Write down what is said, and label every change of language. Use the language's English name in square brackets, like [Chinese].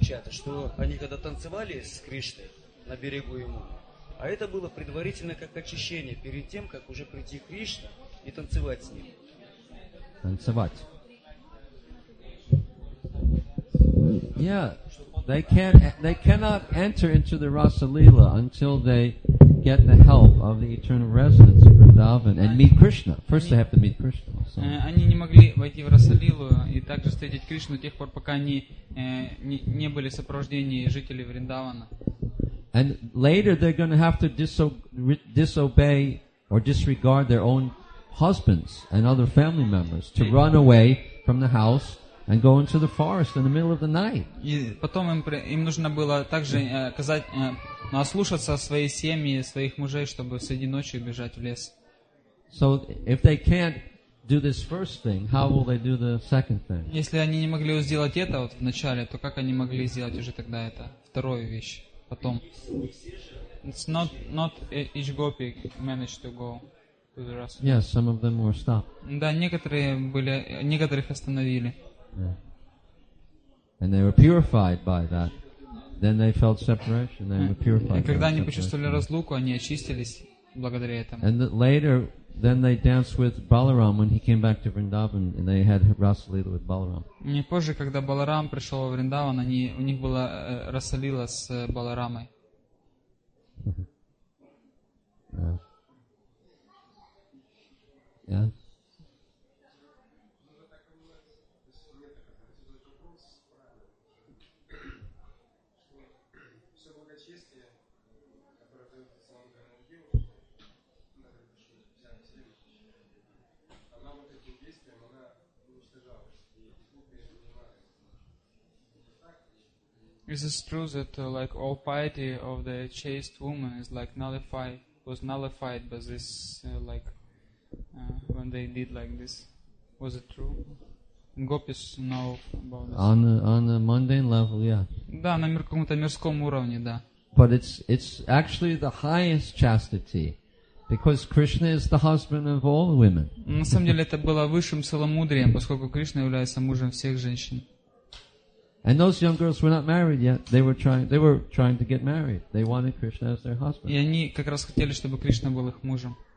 [Russian] Что они когда танцевали с Кришной на берегу ему, а это было предварительно как очищение перед тем, как уже прийти к Кришне и танцевать с ним. Танцевать. [English] Yeah, they cannot enter into the Rasa Lila until they get the help of the eternal residence of Vrindavan and meet Krishna. First they have to meet Krishna. [Russian] Они не могли войти в Расалилу и также встретить Кришну тех пор, пока они не были в сопровождении жителей Вриндавана. [English] And later they're going to have to disobey or disregard their own husbands and other family members to run away from the house and go into the forest in the middle of the night. [Russian] И потом им нужно было также ослушаться своей семьи, своих мужей, чтобы среди ночи убежать в лес. [English] So if they can't do this first thing, how will they do the second thing? [Russian] Если они не могли сделать это вот в начале, то как они могли сделать уже тогда это вторую вещь потом? [English] It's not each gopi managed to go to the rest. Yes, yeah, some of them were stopped. [Russian] Да, некоторые были, некоторых остановили. [English] And they were purified by that. Then they felt separation. They were purified. [Russian] И когда они почувствовали разлуку, они очистились благодаря этому. [English] And later. Then they danced with Balaram when he came back to Vrindavan, and they had Rasa Lila with Balaram. [Russian] Не позже, когда Баларам пришел в Вриндаван, они у них была Rasa Lila с Баларамой. [English] Yeah. Is it true that like all piety of the chaste woman is like nullified, was nullified by this when they did like this? Was it true? Gopis know about this. On a mundane level, yeah. [Russian] Да, на каком-то мирском уровне, да. [English] But it's actually the highest chastity, because Krishna is the husband of all women. [Russian] На самом деле это было высшим целомудрием, поскольку Кришна является мужем всех женщин. [English] And those young girls were not married yet. They were trying to get married. They wanted Krishna as their husband. [Russian] И они как раз хотели, чтобы Кришна был их мужем.